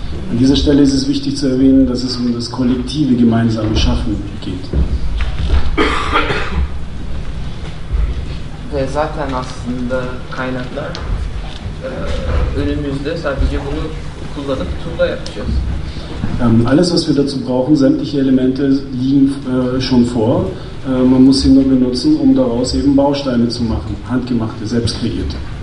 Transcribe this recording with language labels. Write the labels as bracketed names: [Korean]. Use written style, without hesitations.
[German] An dieser Stelle ist es wichtig zu erwähnen, dass es um das kollektive gemeinsame Schaffen geht. [Turkish] Ve zaten aslında kaynaklar önümüzde sadece bunu kullanıp turla yapacağız. [German] Alles, was wir dazu brauchen, sämtliche Elemente liegen schon vor. Man muss sie nur benutzen, um daraus eben Bausteine zu machen, handgemachte, selbst kreierte.